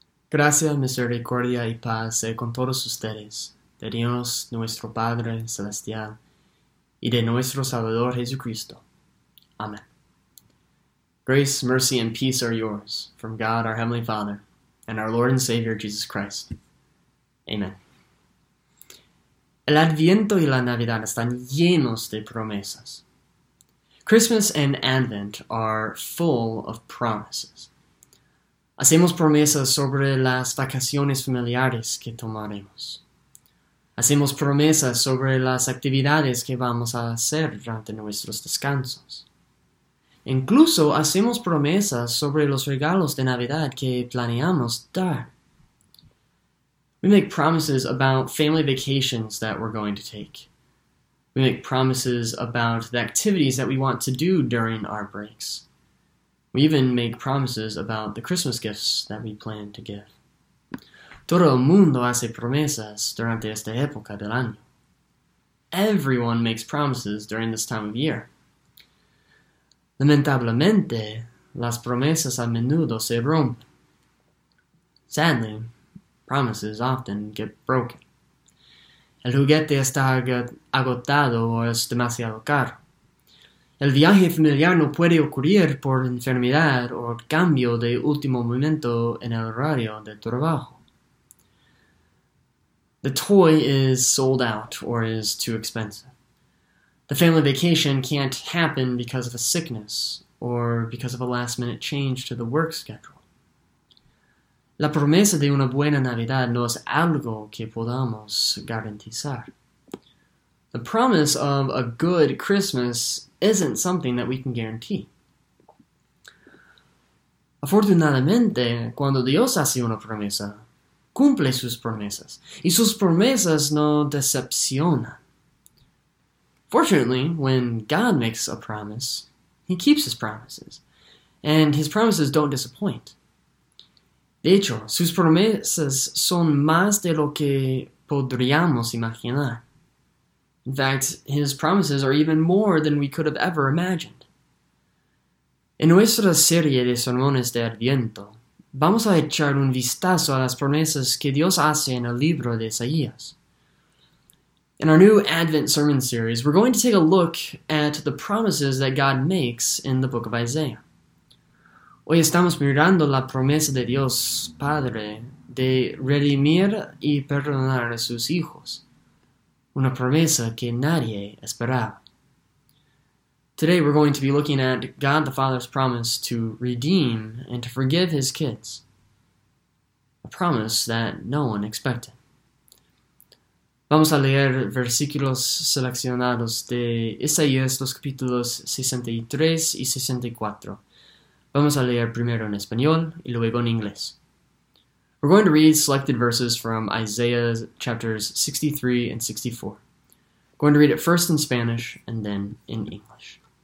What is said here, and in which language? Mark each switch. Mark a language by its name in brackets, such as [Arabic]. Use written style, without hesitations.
[Spanish] Gracias, misericordia y paz sea con todos ustedes, de Dios nuestro Padre Celestial y de nuestro Salvador Jesucristo. Amén. [English] Grace, mercy, and peace are yours from God, our Heavenly Father, and our Lord and Savior, Jesus Christ. [Spanish] Amén. El Adviento y la Navidad están llenos de promesas. [English] Christmas and Advent are full of promises. [Spanish] Hacemos promesas sobre las vacaciones familiares que tomaremos. Hacemos promesas sobre las actividades que vamos a hacer durante nuestros descansos. Incluso hacemos promesas sobre los regalos de Navidad que planeamos dar. [English] We make promises about family vacations that we're going to take. We make promises about the activities that we want to do during our breaks. We even make promises about the Christmas gifts that we plan to give. [Spanish] Todo el mundo hace promesas durante esta época del año. [English] Everyone makes promises during this time of year. [Spanish] Lamentablemente, las promesas a menudo se rompen. [English] Sadly, promises often get broken. [Spanish] El juguete está agotado o es demasiado caro. El viaje familiar no puede ocurrir por enfermedad o cambio de último momento en el horario de trabajo. [English] The toy is sold out or is too expensive. The family vacation can't happen because of a sickness or because of a last-minute change to the work schedule. [Spanish] La promesa de una buena Navidad no es algo que podamos garantizar. [English] The promise of a good Christmas isn't something that we can guarantee. [Spanish] Afortunadamente, cuando Dios hace una promesa, cumple sus promesas, y sus promesas no decepcionan. [English] Fortunately, when God makes a promise, He keeps His promises, and His promises don't disappoint. [Spanish] De hecho, sus promesas son más de lo que podríamos imaginar. [English] In fact, his promises are even more than we could have ever imagined. [Spanish] En nuestra serie de sermones de Adviento, vamos a echar un vistazo a las promesas que Dios hace en el libro de Isaías. [English] In our new Advent sermon series, we're going to take a look at the promises that God makes in the book of Isaiah. [Spanish] Hoy estamos mirando la promesa de Dios Padre de redimir y perdonar a sus hijos. Una promesa que nadie esperaba. [English] Today we're going to be looking at God the Father's promise to redeem and to forgive his kids. A promise that no one expected. [Spanish] Vamos a leer versículos seleccionados de Isaías, los capítulos 63 y 64. Vamos a leer primero en español y luego en inglés. [English] We're going to read selected verses from Isaiah chapters 63 and 64. I'm going to read it first in Spanish and then in English.